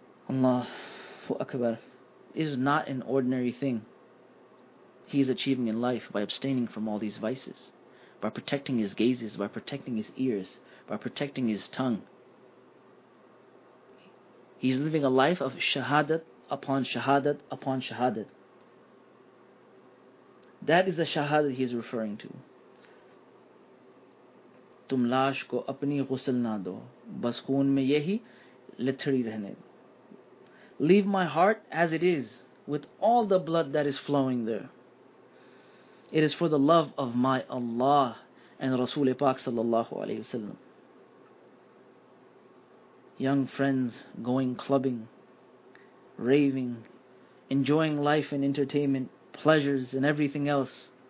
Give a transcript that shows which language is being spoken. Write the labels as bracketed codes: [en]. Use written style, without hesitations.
[en] Allahu Akbar. It is not an ordinary thing he is achieving in life by abstaining from all these vices, by protecting his gazes, by protecting his ears, by protecting his tongue. He is living a life of shahadat upon shahadat upon shahadat. That is the shahadat he is referring to. [ur] تم لاش کو اپنی غسل نہ دو, بس خون میں یہی لتھڑی رہنے دو. [en] Leave my heart as it is, with all the blood that is flowing there. It is for the love of my Allah and Rasul Pak sallallahu alayhi wa sallam. Young friends going clubbing, raving, enjoying life and entertainment, pleasures and everything else.